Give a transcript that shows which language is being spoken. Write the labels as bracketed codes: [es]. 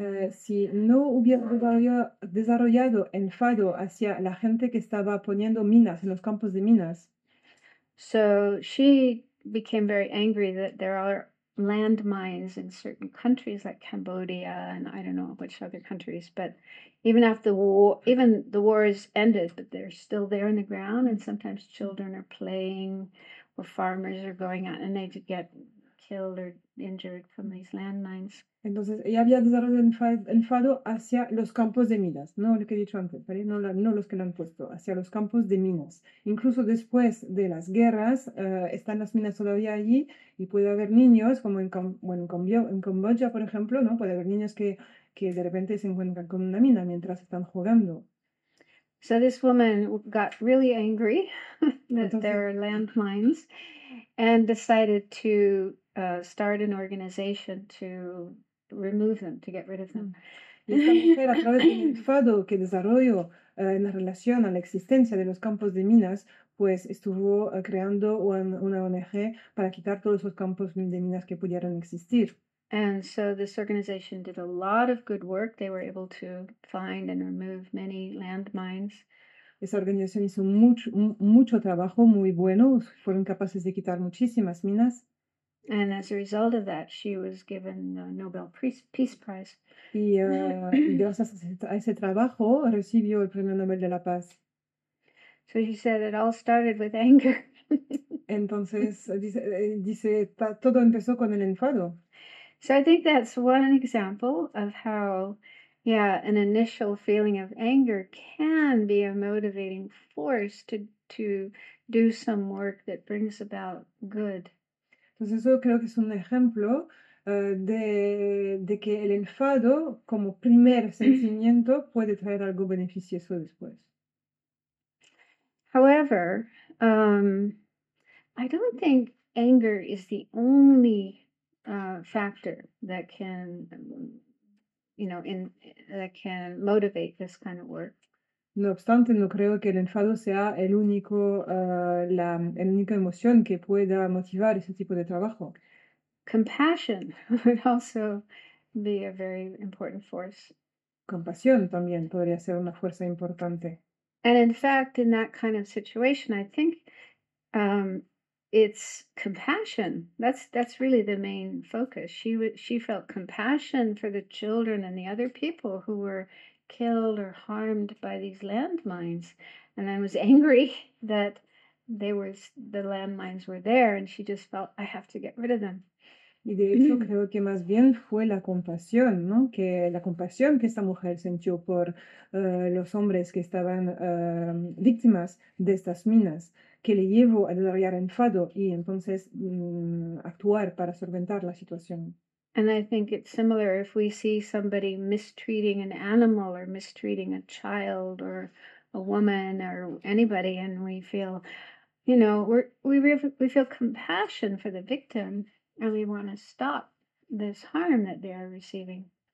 [es] si no hubiera desarrollado enfado hacia la gente que estaba poniendo minas en los campos de minas." [en] So she became very angry that there are landmines in certain countries like Cambodia and I don't know which other countries, but even after the war is ended, but they're still there in the ground and sometimes children are playing. Farmers are going out and they get killed or injured from these landmines. [es] Entonces, ella había desarrollado enfado hacia los campos de minas, no lo que he dicho antes, ¿vale? No los que lo han puesto, hacia los campos de minas. Incluso después de las guerras, están las minas todavía allí y puede haber niños, como en Camboya, por ejemplo, ¿no? Puede haber niños que de repente se encuentran con una mina mientras están jugando. [en] So this woman got really angry that there are landmines and decided to start an organization to remove them, to get rid of them. [es] Y esta mujer, a través del enfado que desarrolló en relación a la existencia de los campos de minas, pues estuvo creando una ONG para quitar todos los campos de minas que pudieran existir. [en] And so this organization did a lot of good work. They were able to find and remove many landmines. [es] Esa organización hizo mucho trabajo, muy bueno. Fueron capaces de quitar muchísimas minas. [en] And as a result of that, she was given the Nobel Peace Prize. [es] Y gracias a ese trabajo, recibió el Premio Nobel de la Paz. [en] So she said it all started with anger. [es] Entonces, dice todo empezó con el enfado. [en] So I think that's one example of how, yeah, an initial feeling of anger can be a motivating force to do some work that brings about good. [es] Entonces, eso creo que es un ejemplo de que el enfado como primer sentimiento puede traer algo beneficioso después. [en] However, I don't think anger is the only factor that can, that can motivate this kind of work. [es] No obstante, no creo que el enfado sea el único, la única emoción que pueda motivar ese tipo de trabajo. [en] Compassion would also be a very important force. [es] Compasión también podría ser una fuerza importante. [en] And in fact, in that kind of situation, I think it's compassion. That's really the main focus. She felt compassion for the children and the other people who were killed or harmed by these landmines, and I was angry that the landmines were there, and she just felt I have to get rid of them. [es] Y de hecho creo que más bien fue la compasión, ¿no? Que la compasión que esta mujer sintió por los hombres que estaban víctimas de estas minas, que le llevó a desarrollar enfado y entonces actuar para solventar la situación. [en] And I think it's similar if we see somebody mistreating an animal or mistreating a child or a woman or anybody, and we feel, we feel compassion for the victim and we want to stop this harm that they are receiving.